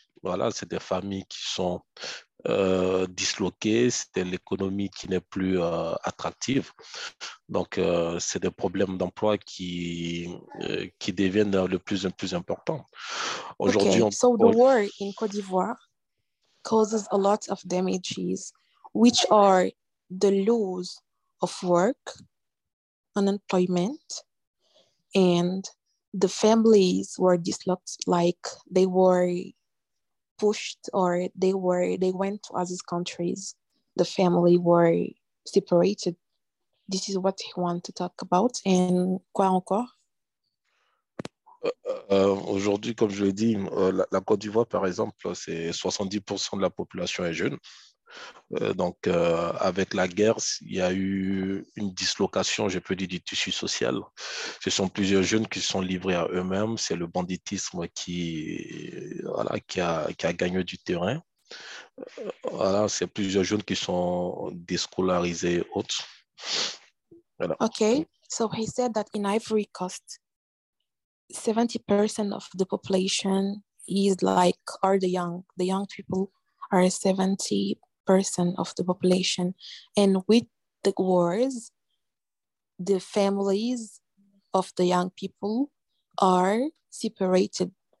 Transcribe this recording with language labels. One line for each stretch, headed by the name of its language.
French: Voilà, c'est des familles qui sont disloquées, c'est l'économie qui n'est plus attractive. Donc, c'est des problèmes d'emploi qui deviennent le plus en plus importants. Aujourd'hui, okay.
English: So the war in Côte d'Ivoire causes a lot of damages, which are the loss of work, unemployment, and the families were dislocated, like they were pushed, or they went to other countries, the family were separated. This is what he wanted to talk about.
French: And quoi encore? Aujourd'hui, comme je l'ai dit, la Côte d'Ivoire, par exemple, c'est 70% de la population est jeune. Donc, avec la guerre, il y a eu une dislocation, je peux dire, du tissu social. Ce sont plusieurs jeunes qui se sont livrés à eux-mêmes. C'est le banditisme qui a gagné du terrain. Voilà, c'est plusieurs jeunes qui sont déscolarisés et autres. Voilà.
English: Okay, so he said that in Ivory Coast, 70% of the population is like, are the young people are 70%. Person of the population, and with the wars, the families of the young people are separated.